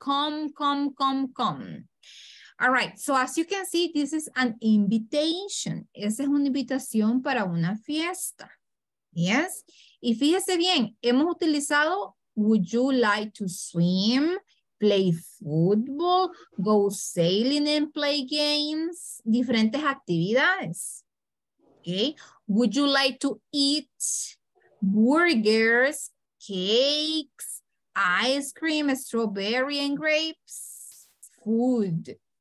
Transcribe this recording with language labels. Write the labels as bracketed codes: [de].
[en] All right, so as you can see, this is an invitation. [es] Esa es una invitación para una fiesta, yes? Y fíjese bien, hemos utilizado, [en] would you like to swim, play football, go sailing and play games, [es] diferentes actividades, okay? [en] Would you like to eat burgers, cakes, ice cream, strawberry and grapes, food.